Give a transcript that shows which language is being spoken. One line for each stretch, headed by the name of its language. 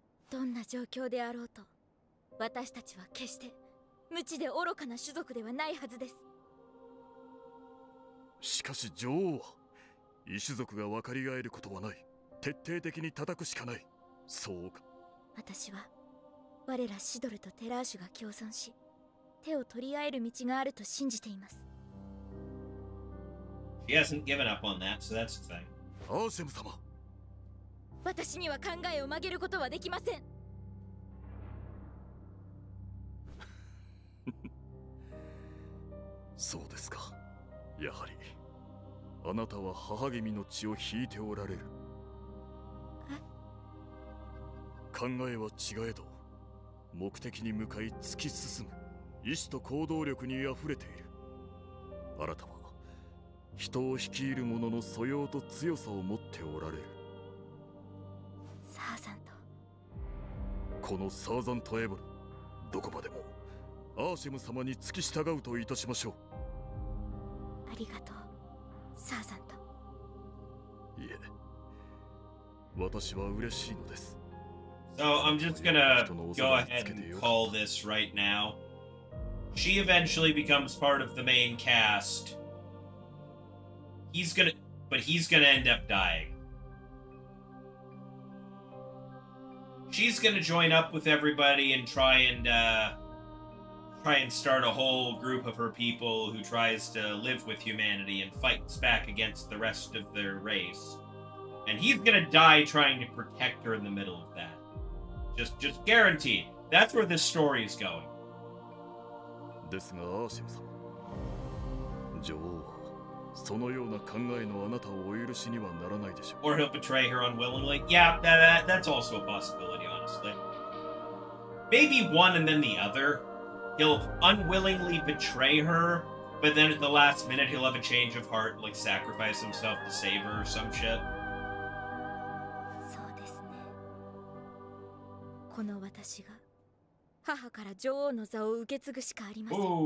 Japanese: どんな状況であろうと、私たちは決して無知で愚かな種族ではないはずです。しかし女王は、異種族が分かり合えることはない。徹底的に叩くしかない。そうか。私は我らシドルとテラーシュが共存し手を取り合える道があると信じています。
English: He hasn't given up on that, so that's the thing.
Japanese: アーセム様、私には考えを曲げることはできません。そうですか。やはりあなたは母君の血を引いておられる。え？考えは違えど目的に向かい突き進む意志と行動力にあふれている。あなたは人を率いる者の素養と強さを持っておられる。サーザント、このサーザントエボル、どこまでもアーシェム様に付き従うといたしましょう。ありがとう、サーザント。いえ、私は嬉しいのです。
English: So I'm just gonna go ahead and call this right now. She eventually becomes part of the main cast. He's gonna end up dying. She's gonna join up with everybody and try and start a whole group of her people who tries to live with humanity and fights back against the rest of their race. And he's gonna die trying to protect her in the middle of that. Just guaranteed. That's where this story is going.
Japanese: ですが、アーシム様。女王は、そのような考えのあなたをお許しにはならないでしょう。
English: Or he'll betray her unwillingly. Yeah, that's also a possibility, honestly. Maybe one and then the other. He'll unwillingly betray her, but then at the last minute he'll have a change of heart, like sacrifice himself to save her or some shit.
Japanese: そうですね。この私が母から女王の座を受け継ぐしかありません。